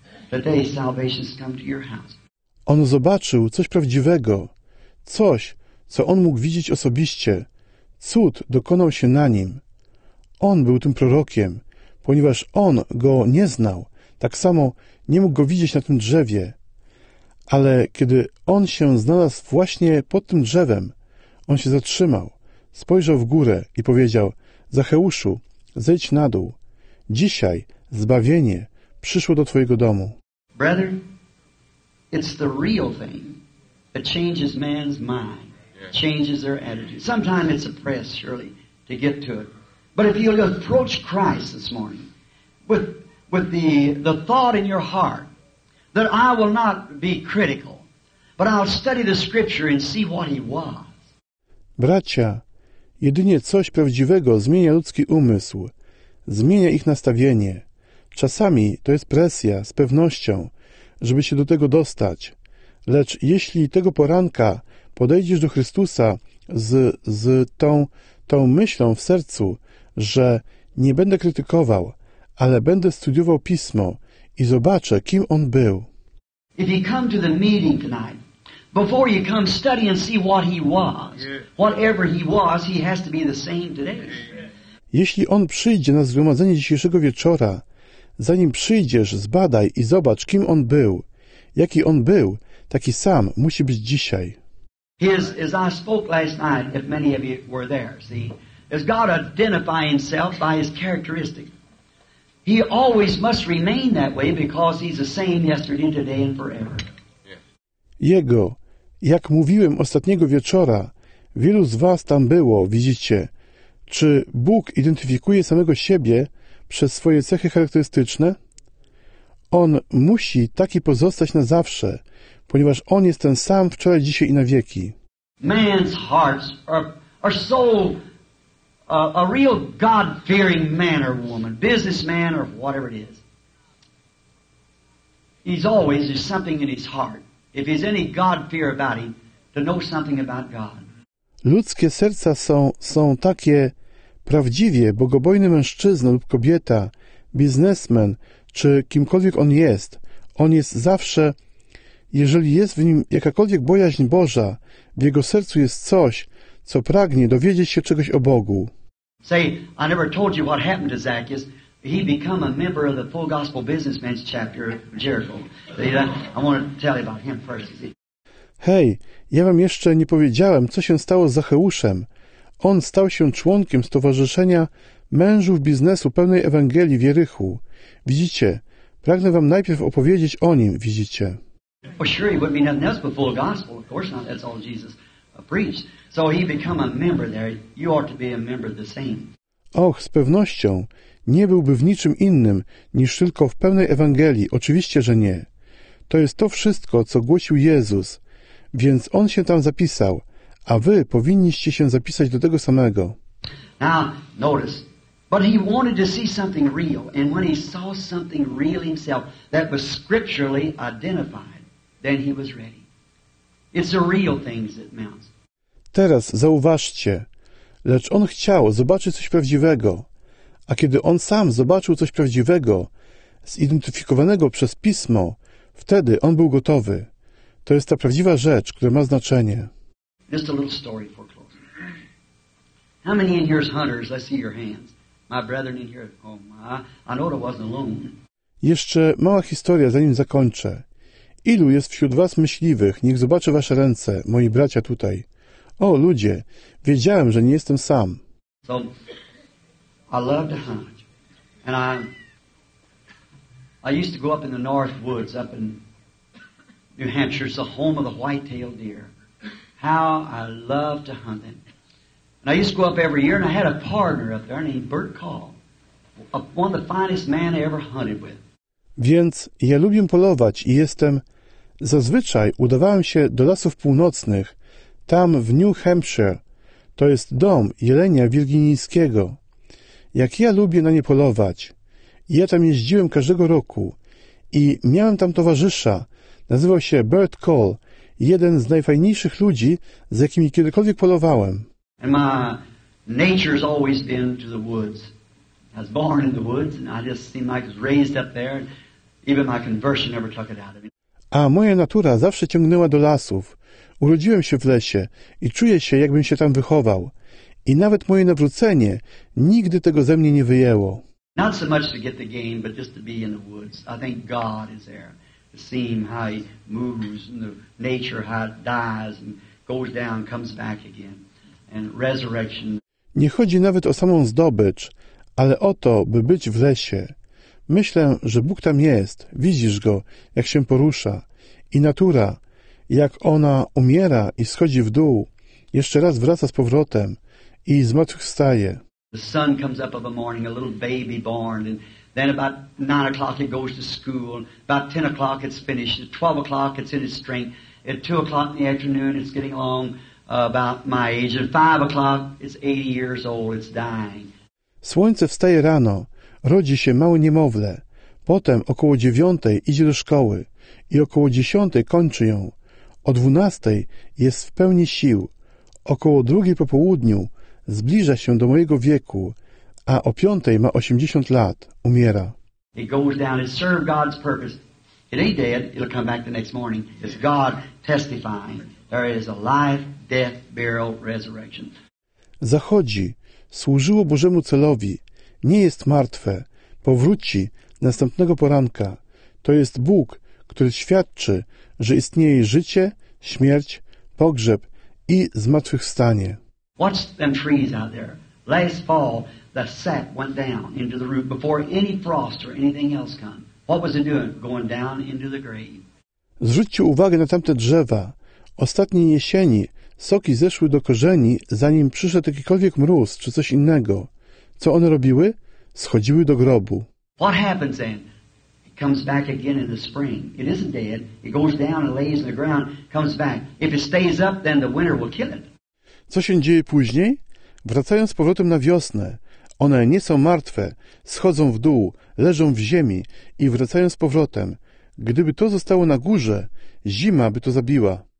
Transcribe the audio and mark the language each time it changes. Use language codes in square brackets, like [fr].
[en] Today salvation has come to your house. [pl] On zobaczył coś prawdziwego, coś, co on mógł widzieć osobiście. Cud dokonał się na nim. On był tym prorokiem, ponieważ on go nie znał, tak samo nie mógł go widzieć na tym drzewie. Ale kiedy on się znalazł właśnie pod tym drzewem, on się zatrzymał, spojrzał w górę i powiedział, Zacheuszu, zejdź na dół. Dzisiaj zbawienie przyszło do twojego domu. [en] Brother, it's the real thing that changes man's mind, changes their attitude. Sometimes it's a press, surely, to get to it. But if you approach Christ this morning with the thought in your heart that I will not be critical, but I'll study the Scripture and see what he was. [pl] Bracia, jedynie coś prawdziwego zmienia ludzki umysł, zmienia ich nastawienie. Czasami to jest presja, z pewnością, żeby się do tego dostać. Lecz jeśli tego poranka podejdziesz do Chrystusa z tą myślą w sercu, że nie będę krytykował, ale będę studiował Pismo i zobaczę, kim on był. [en] If you come to the meeting tonight, before you come, study and see what he was. Whatever he was, he has to be the same today. [pl] Jeśli on przyjdzie na zgromadzenie dzisiejszego wieczora, zanim przyjdziesz, zbadaj i zobacz, kim on był. Jaki on był, taki sam musi być dzisiaj. [en] As I spoke last night, if many of you were there, see, as God identify himself by his characteristic, he always must remain that way because he's the same yesterday, today and forever. [pl] Jego, jak mówiłem ostatniego wieczora, wielu z was tam było, widzicie. Czy Bóg identyfikuje samego siebie przez swoje cechy charakterystyczne? On musi taki pozostać na zawsze, ponieważ on jest ten sam wczoraj, dzisiaj i na wieki. [en] Man's hearts are so a real God-fearing man or woman, businessman or whatever it is. He's always there's something in his heart. If there's any God fear about him, to know something about God. [pl] Ludzkie serca są takie prawdziwie bogobojny mężczyzna lub kobieta, biznesmen, czy kimkolwiek on jest zawsze, jeżeli jest w nim jakakolwiek bojaźń Boża, w jego sercu jest coś, co pragnie dowiedzieć się czegoś o Bogu. [en] Say, I never told you what happened to Zacchaeus. He became a member of the Full Gospel Businessman's Chapter of Jericho. I want to tell you about him first. [pl] Hej, ja wam jeszcze nie powiedziałem, co się stało z Zacheuszem. On stał się członkiem Stowarzyszenia Mężów Biznesu Pełnej Ewangelii w Jerychu. Widzicie, pragnę wam najpierw opowiedzieć o nim, widzicie. [en] Well, sure, he wouldn't be nothing else but full gospel. Of course not, that's all Jesus preached. So he became a member there. You ought to be a member of the same. [pl] Och, z pewnością nie byłby w niczym innym niż tylko w Pełnej Ewangelii. Oczywiście, że nie. To jest to wszystko, co głosił Jezus. Więc on się tam zapisał. A wy powinniście się zapisać do tego samego. [en] Now, notice. But he wanted to see something real. And when he saw something real himself that was scripturally identified, then he was ready. It's the real things that mounts. [pl] Teraz zauważcie. Lecz on chciał zobaczyć coś prawdziwego. A kiedy on sam zobaczył coś prawdziwego, zidentyfikowanego przez Pismo, wtedy on był gotowy. To jest ta prawdziwa rzecz, która ma znaczenie. [en] Just a little story for closing. How many in here is hunters? I see your hands. My brethren in here. Oh my, I know it wasn't alone. [pl] Jeszcze mała historia, zanim zakończę. Ilu jest wśród was myśliwych? Niech zobaczy wasze ręce, moi bracia tutaj. O, ludzie, wiedziałem, że nie jestem sam. [en] So, I love to hunt. And I used to go up in the North Woods up in New Hampshire. It's the home of the white-tailed deer. How I love to hunt them. And I used to go up every year, and I had a partner up there named Bert Call, one of the finest men I ever hunted with. [pl] Więc ja lubię polować i jestem... Zazwyczaj udawałem się do lasów północnych, tam w New Hampshire. To jest dom jelenia wirginijskiego. Jak ja lubię na nie polować. Ja tam jeździłem każdego roku i miałem tam towarzysza. Nazywał się Bert Call, jeden z najfajniejszych ludzi, z jakimi kiedykolwiek polowałem. [en] And my nature's always been to the woods. I was born in the woods and I just seemed like I was raised up there. Even my conversion never took it out of me. [pl] A moja natura zawsze ciągnęła do lasów. Urodziłem się w lesie i czuję się, jakbym się tam wychował. I nawet moje nawrócenie nigdy tego ze mnie nie wyjęło. [en] Not so much to get the game, but just to be in the woods. I think God is there. To see him, how he moves, and the nature, how it dies, and goes down, comes back again. And resurrection. [pl] Nie chodzi nawet o samą zdobycz, ale o to, by być w lesie. Myślę, że Bóg tam jest, widzisz Go, jak się porusza. I natura, jak ona umiera i schodzi w dół, jeszcze raz wraca z powrotem i zmartwychwstaje. [en] The sun comes up of a morning, a little baby born, and then about 9 o'clock it goes to school, about 10 o'clock it's finished, at 12 o'clock it's in its strength, at 2 o'clock in the afternoon it's getting along about my age, at 5 o'clock it's 80 years old, it's dying. [pl] Słońce wstaje rano, rodzi się małe niemowlę. Potem około 9 idzie do szkoły i około 10 kończy ją. O 12 jest w pełni sił. Około 2 po południu zbliża się do mojego wieku, a o 5 ma 80 lat, umiera. [en] It goes down and serves God's purpose. It ain't dead, it'll come back the next morning. It's God testifying. There is a life, death, burial, resurrection. [pl] Zachodzi, służyło Bożemu celowi. Nie jest martwe. Powróci następnego poranka. To jest Bóg, który świadczy, że istnieje życie, śmierć, pogrzeb i zmartwychwstanie. [en] Watch them trees out there. Last fall, the sap went down into the root before any frost or anything else come. What was it doing? Going down into the grave. [pl] Zwróćcie uwagę na tamte drzewa. Ostatniej jesieni soki zeszły do korzeni, zanim przyszedł jakikolwiek mróz czy coś innego. Co one robiły? Schodziły do grobu. [en] What happens then? It comes back again in the spring. It isn't dead. It goes down and lays in the ground, comes back. If it stays up, then the winter will kill it. [pl] Co się dzieje później? Wracając z powrotem na wiosnę, one nie są martwe, schodzą w dół, leżą w ziemi i wracają z powrotem. Gdyby to zostało na górze, zima by to zabiła.